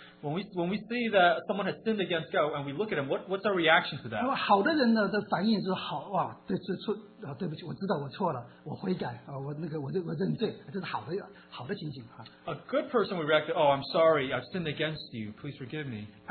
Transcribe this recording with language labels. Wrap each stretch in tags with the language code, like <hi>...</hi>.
<en>When we see that someone has sinned against God and we look at him, what's our reaction to that?</en> <zh>好的人的反应是,哇,对不起,我知道我错了,我悔改,我认罪,这是好的情景。</zh> <en>A good person would react, oh, I'm sorry, I've sinned against you, please forgive me.</en>